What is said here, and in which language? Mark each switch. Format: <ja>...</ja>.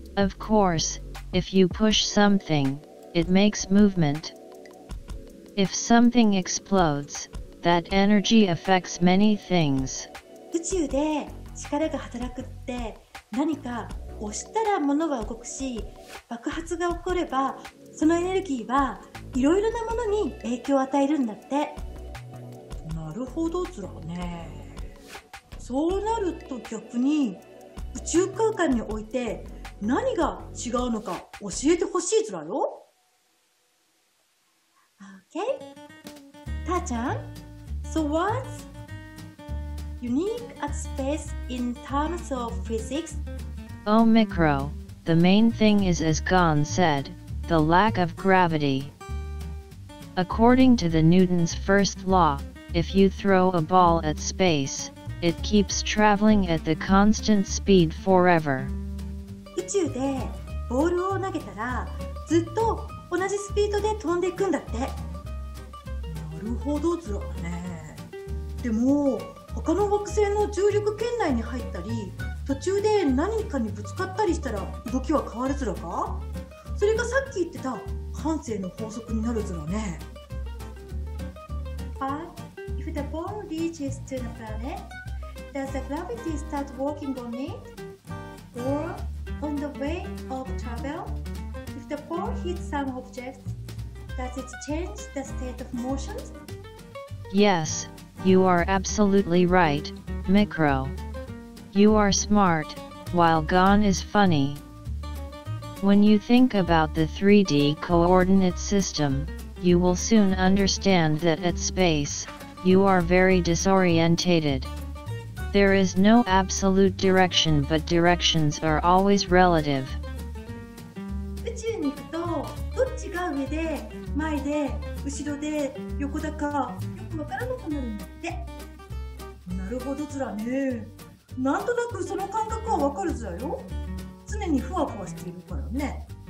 <en>Of course, if you push something, it makes movement. If something explodes, that energy affects many things.</en> <ja>宇宙で力が働くって何か押したら物は動くし、爆発が起こればそのエネルギーはいろいろなものに影響を与えるんだって。なるほどつらね。そうなると逆に宇宙空間において何が違うのか教えてほしいつらよ。</ja> <en>OK Ta-chan, So what's unique at space in terms of physics? Oh Micro, the main thing is as Gon said, the lack of gravity. According to the Newton's first law, if you throw a ball at space, it keeps traveling at the constant speed forever.</en> <ja>宇宙でボールを投げたらずっと同じスピードで飛んでいくんだって。なるほどずらね。でも他の惑星の重力圏内に入ったり途中で何かにぶつかったりしたら動きは変わるずらか。それがさっき言ってた慣性の法則になるずらね。</ja> <en>But if the ball reaches to the planet, does the gravity start working on it? Or on the way of travel, if the ball hits some object, does it change the state of motion? Yes. You are absolutely right, Micro. You are smart, while Gon is funny. When you think about the 3D coordinate system, you will soon understand that at space, you are very disorientated. There is no absolute direction, but directions are always relative.</en> <ja>宇宙に行くと、どっちが上で、前で、後ろで、横だか。わからなくなるんだって。なるほどつらね。なんとなくその感覚はわかるつらよ。常にふわふわしているからね。</ja>